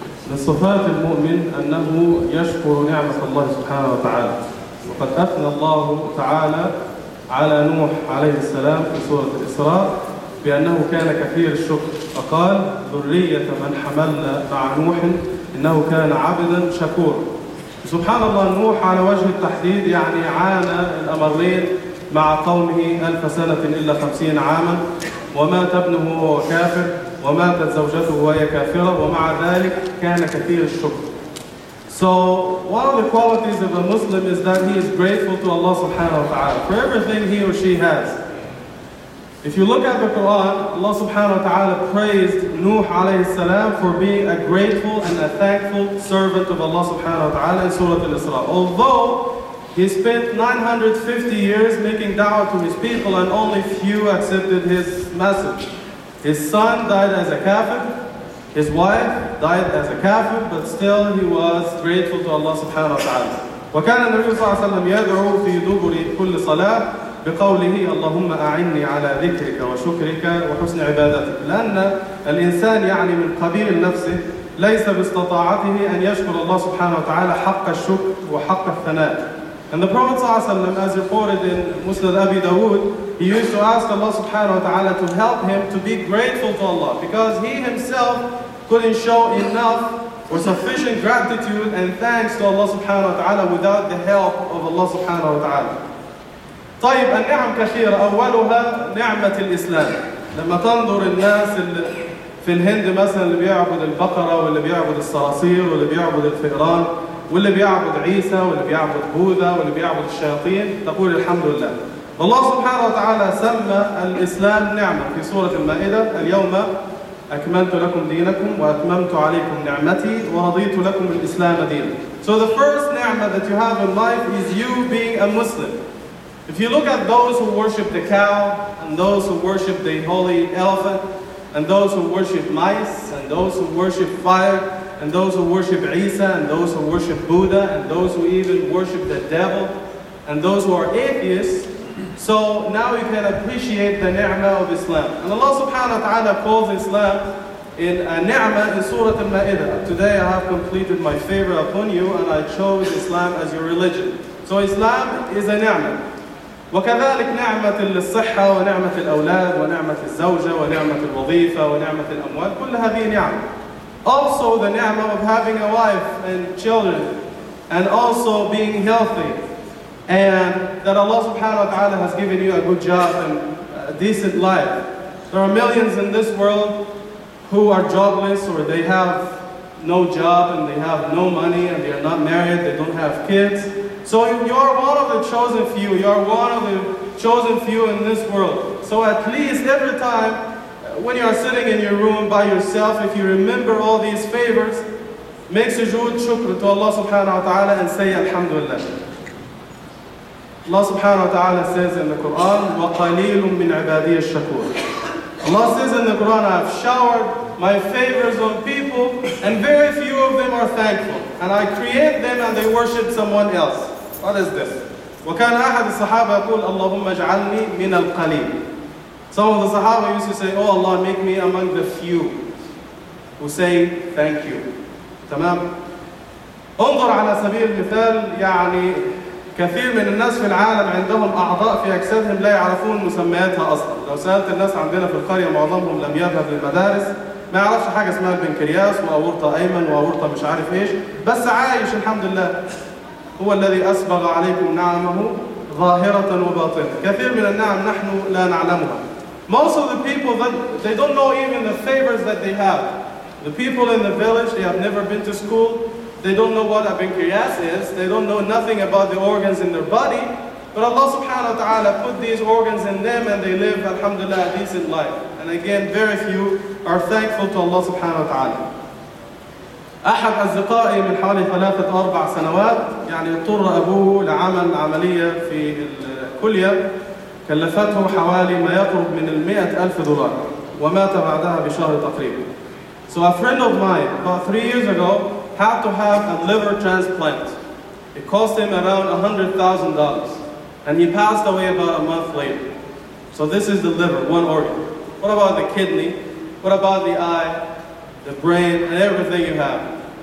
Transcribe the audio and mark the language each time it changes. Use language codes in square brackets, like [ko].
[ar] من صفات المؤمن انه يشكر نعمه الله سبحانه وتعالى، وقد اثنى الله تعالى على نوح عليه السلام في سوره الاسراء بانه كان كثير الشكر، فقال: ذريه من حملنا مع نوح انه كان عبدا شكورا. سبحان الله، نوح على وجه التحديد يعني عانى الامرين مع قومه 1050 عاما، ومات ابنه وهو كافر، وماتت زوجته وهي كافره، ومع ذلك كان كثير الشكر. [en] So one of the qualities of a Muslim is that he is grateful to Allah subhanahu wa ta'ala for everything he or she has. If you look at the Quran, Allah subhanahu wa ta'ala praised Nuh alayhi salam for being a grateful and a thankful servant of Allah subhanahu wa ta'ala in Surah Al-Isra. Although he spent 950 years making da'wah to his people and only few accepted his message. His son died as a kafir, his wife died as a kafir, but still he was grateful to Allah subhanahu wa ta'ala. [ar] وكان النبي صلى الله عليه وسلم يدعو في دبر كل صلاة بقوله: اللهم أعني على ذكرك وشكرك وحسن عبادتك. لأن الإنسان يعني من قبيل نفسه ليس باستطاعته أن يشكر الله سبحانه وتعالى حق الشكر وحق الثناء. [en] And the Prophet [ar] صلى الله عليه وسلم, [en] as reported in Musnad Abi Dawood, he used to ask Allah subhanahu wa ta'ala to help him to be grateful to Allah, because he himself couldn't show enough or sufficient gratitude and thanks to Allah subhanahu wa ta'ala without the help of Allah subhanahu wa ta'ala. [ar] طيب، النعم كثيرة، أولها نعمة الإسلام. لما تنظر الناس اللي في الهند مثلا اللي بيعبد البقرة واللي بيعبد الصراصير واللي بيعبد الفئران واللي بيعبد عيسى واللي بيعبد بوذا واللي بيعبد الشياطين، تقول الحمد لله. الله سبحانه وتعالى سمى الإسلام نعمة في سورة المائدة: اليوم أكملت لكم دينكم وأتممت عليكم نعمتي ورضيت لكم الإسلام دينا. [en] So the first ni'mah that you have in life is you being a Muslim. If you look at those who worship the cow, and those who worship the holy elephant, and those who worship mice, and those who worship fire, and those who worship Isa, and those who worship Buddha, and those who even worship the devil, and those who are atheists, so now you can appreciate the ni'mah of Islam. And Allah subhanahu wa ta'ala calls Islam in a ni'mah in Surah Al-Ma'idah. Today I have completed my favor upon you, and I chose Islam as your religion. So Islam is a ni'mah. [ar] وكذلك نعمة الصحة ونعمة الأولاد ونعمة الزوجة ونعمة الوظيفة ونعمة الأموال، كل هذه نعمة. [en] Also the نعمة of having a wife and children, and also being healthy, and that Allah subhanahu wa ta'ala has given you a good job and a decent life. There are millions in this world who are jobless, or they have no job and they have no money, and they are not married, they don't have kids. So you are one of the chosen few. You are one of the chosen few in this world. So at least every time when you are sitting in your room by yourself, if you remember all these favors, make sujood shukr to Allah subhanahu wa ta'ala and say alhamdulillah. Allah subhanahu wa ta'ala says in the Quran, [ar] وَقَلِيلٌ مِّنْ عِبَادِيَ الشَّكُورِ. [en] Allah says in the Quran, I have showered my favors on people and very few of them are thankful. And I create them and they worship someone else. What is this? [ar] وكان أحد الصحابة يقول اللهم اجعلني من القليل. [en] Some of the Sahaba used to say, oh Allah, make me among the few who say thank you. [ar] تمام؟ انظر على سبيل المثال، يعني كثير من الناس في العالم عندهم أعضاء في أجسادهم لا يعرفون مسمياتها أصلا. لو سألت الناس عندنا في القرية، معظمهم لم يذهب للمدارس، ما يعرفش حاجة اسمها البنكرياس وأورطة أيمن وأورطة مش عارف إيش، بس عايش الحمد لله. هو الذي أسبغ عليكم نعمه ظاهرة وباطنة. كثير من النعم نحن لا نعلمها. [en] Most of the people, they don't know even the favors that they have. The people in the village, they have never been to school. They don't know what a pancreas is. They don't know nothing about the organs in their body. But Allah subhanahu wa ta'ala put these organs in them and they live, alhamdulillah, a decent life. And again, very few are thankful to Allah subhanahu wa ta'ala. [ar] أحد أصدقائي من حوالي 3 أو 4 سنوات يعني اضطر أبوه لعمل عملية في الكلية كلفته حوالي ما يقرب من 100,000 دولار، ومات بعدها بشهر تقريبا. [en] So a friend of mine, about 3 years ago, had to have a liver transplant. It cost him around $100,000. And he passed away about a month later. So this is the liver, one organ. What about the kidney? What about the eye, the brain, and everything you have?